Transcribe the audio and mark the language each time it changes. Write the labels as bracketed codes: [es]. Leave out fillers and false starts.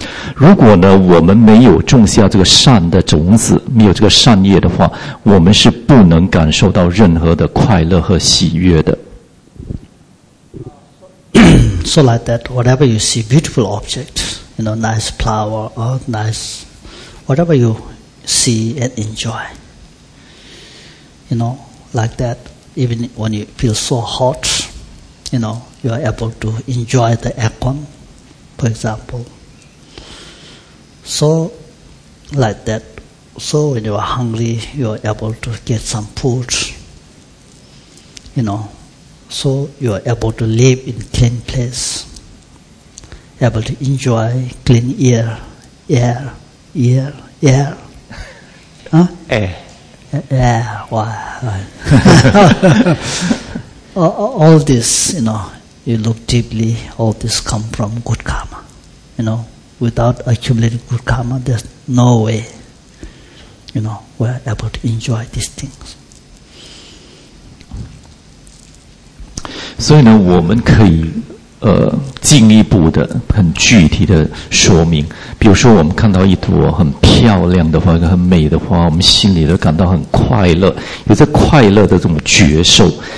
[zh] 所以呢，这里我们要讲的就是我们所感受到的快乐，就是我们这一生呢，我们如果可以感受到的快乐，或者是我们未来是呢将来啊能够感受到的快乐，或者是我们以前呢过去生啊我们感受到的快乐，这些快乐感受的快乐的多或感受到快乐的少呢，都是根据啊来自我们的善业，我们所种下的善的种子。如果呢我们没有种下 这个善的种子，没有这个善业的话，我们是不能感受到任何的快乐和喜悦的。 [en] So like that, whatever you see, beautiful object, you know, nice flower or nice, whatever you see and enjoy, you know, like that, even when you feel so hot, you know, you are able to enjoy the aircon, for example. So when you are hungry, you are able to get some food, you know. So you are able to live in clean place, able to enjoy clean air. All this, you know, you look deeply, all this come from good karma, you know. without accumulating good karma, there's no way, you know, we're able to enjoy these things. [zh] 所以呢，我们可以进一步的很具体的说明，比如说我们看到一朵很漂亮的花，一个很美的花，我们心里都感到很快乐，有着快乐的这种觉受，